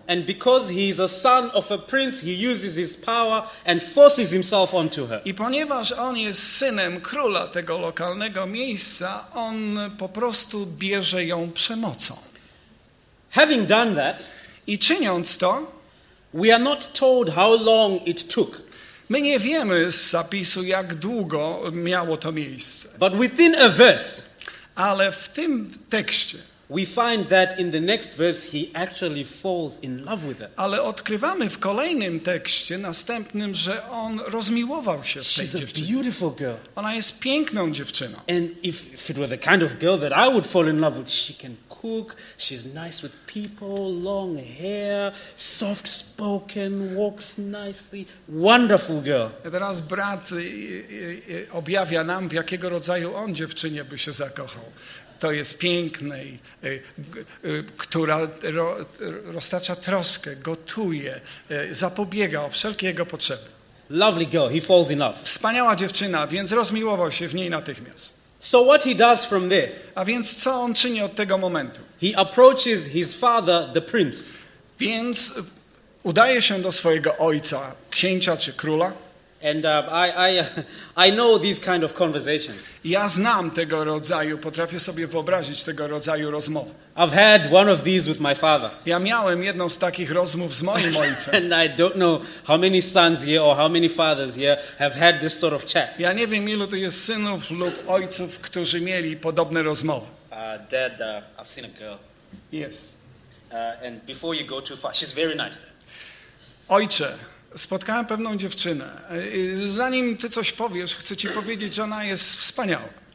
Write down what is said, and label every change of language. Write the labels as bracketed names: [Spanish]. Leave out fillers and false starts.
[English] And because he is a son of a prince, he uses his power and forces himself onto her. [Polish] I ponieważ on jest synem króla tego lokalnego miejsca, on po prostu bierze ją przemocą. [English] Having done that, [Polish] i czyniąc to, [English] we are not told how long it took. [Polish] My nie wiemy z zapisu, jak długo miało to miejsce. [English] But within a verse, [Polish] ale w tym tekście [English] we find that in the next verse he actually falls in love with her. [Polish] Ale odkrywamy w kolejnym tekście następnym, że on rozmiłował się z tej dziewczyny. [English] She's a beautiful girl. [Polish] Ona jest piękną dziewczyną. [English] And if it were the kind of girl that I would fall in love with, she can cook, she's nice with people, long hair, soft spoken, walks nicely, wonderful girl. [Polish] A teraz brat objawia nam, w jakiego rodzaju on dziewczynie by się zakochał. To jest pięknej, która roztacza troskę, gotuje, zapobiega o wszelkie jego potrzeby. [English] Lovely girl, he falls in love. [Polish] Wspaniała dziewczyna, więc rozmiłował się w niej natychmiast. [English] So what he does from there? [Polish] A więc co on czyni od tego momentu? [English] He approaches his father, the prince. [Polish] Więc udaje się do swojego ojca, księcia czy króla. [English] And I know these kind of conversations. [Polish] Ja znam tego rodzaju, potrafię sobie wyobrazić tego rodzaju rozmowy. [English] I've had one of these with my father. [Polish] Ja miałem jedną z takich rozmów z moim ojcem. [English] And I don't know how many sons here or how many fathers here have had this sort of chat. [Polish] Ja nie wiem, ilu to jest synów lub ojców, którzy mieli podobne rozmowy. [English] Dad, I've seen a girl. Yes. And before you go too far, she's very nice. [Polish] Ojcze, spotkałem pewną dziewczynę. Zanim ty coś powiesz, chcę ci powiedzieć, że ona jest wspaniała.